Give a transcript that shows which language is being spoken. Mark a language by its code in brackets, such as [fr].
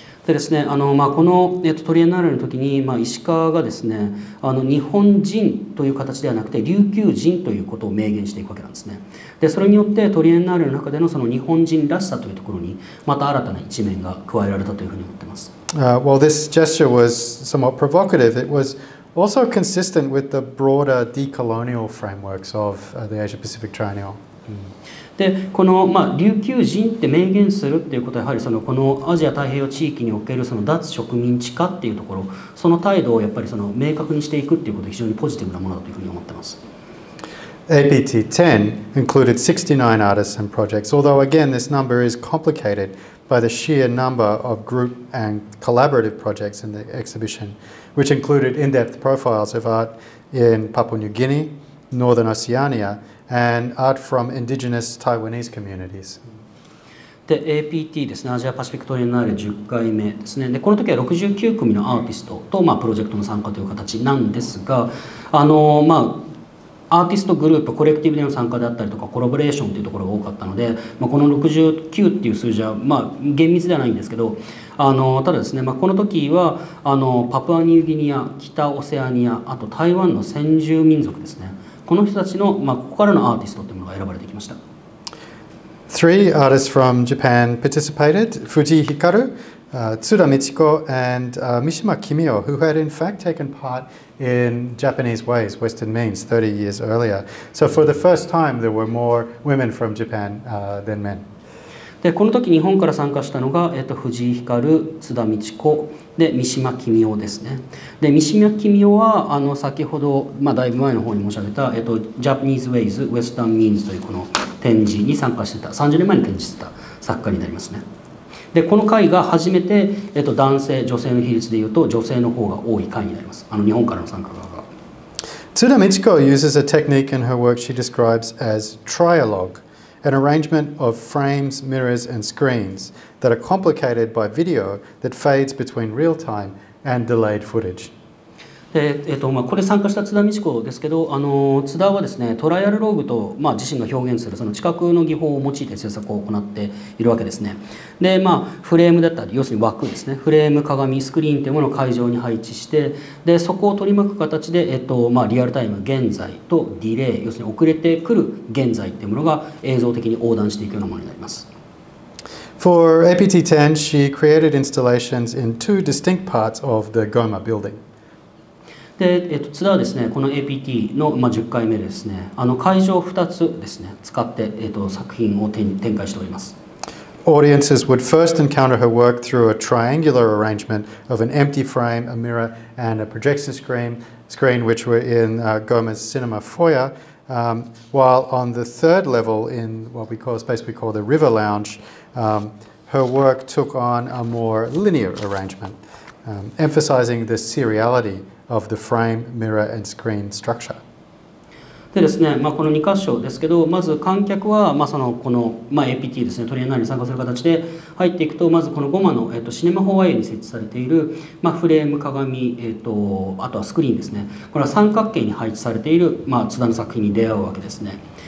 [ja] でですね、この、トリエンナーレの時に、石川がですね、日本人という形ではなくて琉球人ということを明言していくわけなんですね。でそれによってトリエンナーレの中でのその日本人らしさというところにまた新たな一面が加えられたというふうに思っています。 [en] Well, this gesture was somewhat provocative. It was also consistent with the broader decolonial frameworks of the Asia Pacific Triennial. [ja] でこの、琉球人って明言するっていうことは、やはりそのこのアジア太平洋地域におけるその脱植民地化っていうところ、その態度をやっぱりその明確にしていくっていうことは非常にポジティブなものだというふうに思ってます。 [en] APT10 included 69 artists and projects, although again this number is complicated by the sheer number of group and collaborative projects in the exhibition, which included in-depth profiles of art in Papua New Guinea, Northern Oceania, and art from indigenous Taiwanese communities. [ja] で APT ですね、アジアパシフィックトリエンナーレ10回目ですね。でこの時は69組のアーティストと、まあ、プロジェクトの参加という形なんですが、まあ、アーティストグループコレクティブでの参加であったりとかコラボレーションというところが多かったので、まあ、この69っていう数字は、まあ、厳密ではないんですけど、ただですね、まあ、この時はパプアニューギニア、北オセアニア、あと台湾の先住民族ですね、この人たちの、まあ、ここからのアーティストというものが選ばれてきました。 [en] Three artists from Japan participated, Fuji Hikaru, Tsuda Michiko, and Mishima Kimio, who had in fact taken part in Japanese Ways, Western Means, 30 years earlier. So for the first time, there were more women from Japan than men. [ja] でこの時日本から参加したのが、藤井光、津田道子で三島紀美男ですね。で三島紀美男は先ほど、まあ、だいぶ前の方に申し上げた、ジャパニーズ・ウェイズ・ウェスタン・ミーンズというこの展示に参加してた、30年前に展示してた作家になりますね。でこの会が初めて、男性女性の比率でいうと女性の方が多い会になります、日本からの参加が。 [en] 津田道子 uses a technique in her work she describes as trialogue. An arrangement of frames, mirrors, and screens that are complicated by video that fades between real time and delayed footage. [ja] まあ、これ参加した津田道子ですけど、津田はですね、トライアルローグと、まあ、自身が表現するその近くの技法を用いて制作を行っているわけですね。で、まあ、フレームだったり、要するに枠ですね、フレーム、鏡、スクリーンというものを会場に配置して、でそこを取り巻く形で、まあ、リアルタイム、現在とディレイ、要するに遅れてくる現在というものが映像的に横断していくようなものになります。 [en] For APT10, she created installations in two distinct parts of the GOMA building. [ja] で津田はですね、この APT の、まあ、10回目ですね、会場を2つですね、使って、作品を展開しております。 [en] Audiences would first encounter her work through a triangular arrangement of an empty frame, a mirror, and a projection screen which were in Goma's cinema foyer, while on the third level in what we call, space we call the River Lounge, her work took on a more linear arrangement, emphasizing the seriality. Of the frame, mirror, and screen structure. [ja] でですね、まあ、この2箇所ですけど、まず観客は、まあ、そのこの、まあ、APT ですね、トリエンナーレに参加する形で入っていくと、まずこのゴマの、シネマホワイエに設置されている、まあ、フレーム、鏡、あとはスクリーンですね、これは三角形に配置されている、まあ、津田の作品に出会うわけですね。